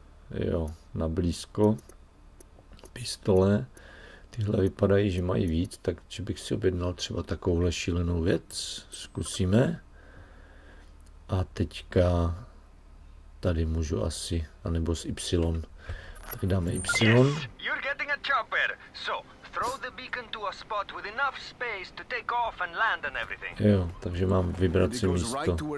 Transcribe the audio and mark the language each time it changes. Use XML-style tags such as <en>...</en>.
<cs>Jo, na blízko pistole, tyhle vypadají, že mají víc, takže bych si objednal třeba takovouhle šílenou věc. Zkusíme. A teďka tady můžu asi, anebo s Y. Tak dáme Y. Yes,</cs> <en>you're getting a chopper. So, throw the beacon to a spot with enough space to take off and land and everything.</en> <cs>Jo, takže mám vybrat si místo.</cs>